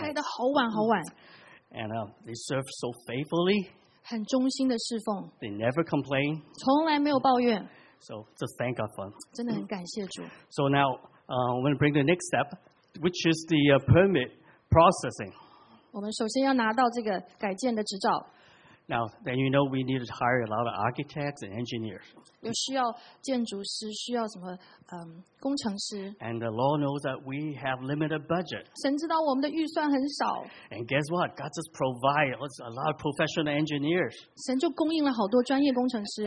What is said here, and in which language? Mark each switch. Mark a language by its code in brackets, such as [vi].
[zh] 开得好晚好晚。 [en] And they serve so faithfully. [zh] 很忠心的侍奉。 [en] They never complain. [zh] 从来没有抱怨。 [en] So just thank God for. [zh] 真的很感谢主。 [en] So now, I'm going to bring the next step, which is the permit processing. [zh] 我们首先要拿到这个改建的执照。 [en] Now, then you know we need to hire a lot of architects and engineers. [zh] 有需要建筑师，需要什么？工程师。 [en] And the law knows that we have limited budget. [zh] 神知道我们的预算很少。 [en] And guess what? God just provides a lot of professional engineers. [zh] 神就供应了好多专业工程师。